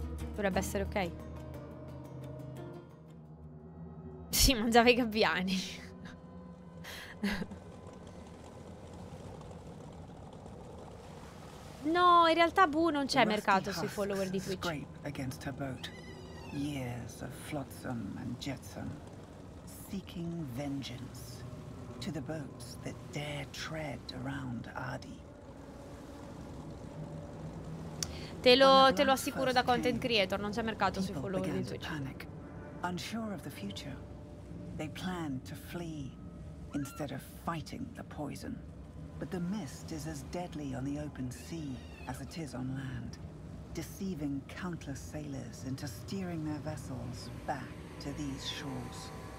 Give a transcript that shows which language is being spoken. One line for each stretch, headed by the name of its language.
Italian: Dovrebbe essere ok. Si mangiava i gabbiani. No, in realtà Boo non c'è mercato sui follower di Twitch.
English: Scrape against her boat. Years of flotsam and jetsam, seeking vengeance to the boats that dare tread around Ardi.
Italian: Te lo assicuro da content creator, non c'è mercato sui follower di Twitch.
English: Unsure of the future. They planned to flee instead of fighting the poison. But the mist is as deadly on the open sea as it is on land, deceiving countless sailors into steering their vessels back to these shores.